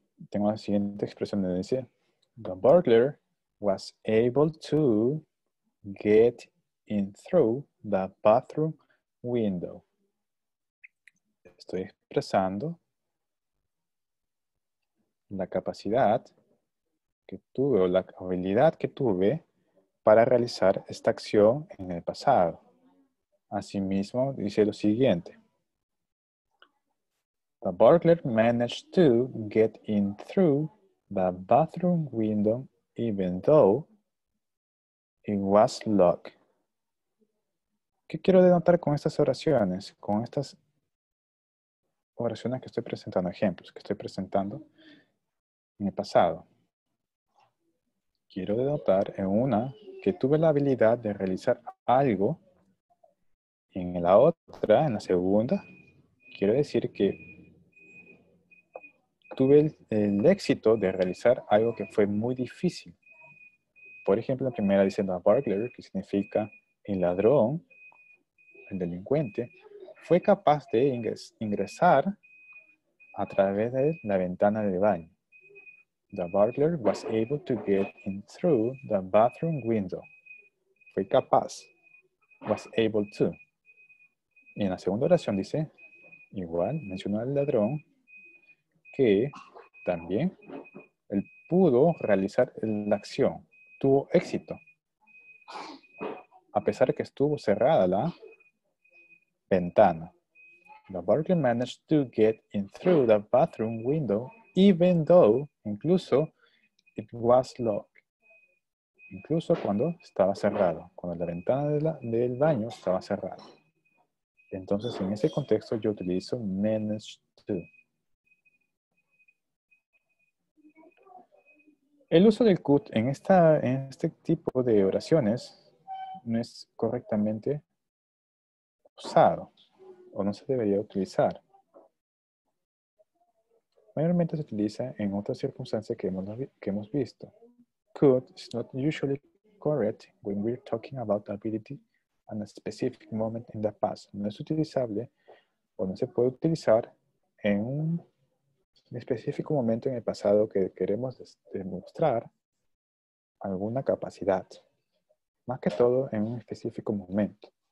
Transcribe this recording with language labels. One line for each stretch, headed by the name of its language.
Spanish: Tengo la siguiente expresión de decir,
English: the burglar was able to get in through the bathroom window.
Spanish: Estoy expresando la capacidad que tuve o la habilidad que tuve para realizar esta acción en el pasado. Asimismo, dice lo siguiente.
English: The burglar managed to get in through the bathroom window even though it was locked.
Spanish: ¿Qué quiero denotar con estas oraciones? Con estas oraciones que estoy presentando, ejemplos que estoy presentando en el pasado. Quiero denotar en una que tuve la habilidad de realizar algo. En la otra, en la segunda, quiero decir que tuve el éxito de realizar algo que fue muy difícil. Por ejemplo, la primera diciendo a burglar, que significa el ladrón, el delincuente, fue capaz de ingresar a través de la ventana del baño.
English: The burglar was able to get in through the bathroom window.
Spanish: Fue capaz.
English: Was able to.
Spanish: Y en la segunda oración dice, igual, mencionó al ladrón, que también él pudo realizar la acción. Tuvo éxito. A pesar de que estuvo cerrada la ventana.
English: The burglar managed to get in through the bathroom window, even though,
Spanish: incluso,
English: it was locked.
Spanish: Incluso cuando estaba cerrado, cuando la ventana de del baño estaba cerrada. Entonces, en ese contexto, yo utilizo managed to. El uso del could en este tipo de oraciones no es correctamente usado. O no se debería utilizar. Mayormente se utiliza en otras circunstancias que hemos visto.
English: Could is not usually correct when we're talking about ability and a specific moment in the past.
Spanish: No es utilizable o no se puede utilizar en un específico momento en el pasado que queremos demostrar alguna capacidad. Más que todo en un específico momento.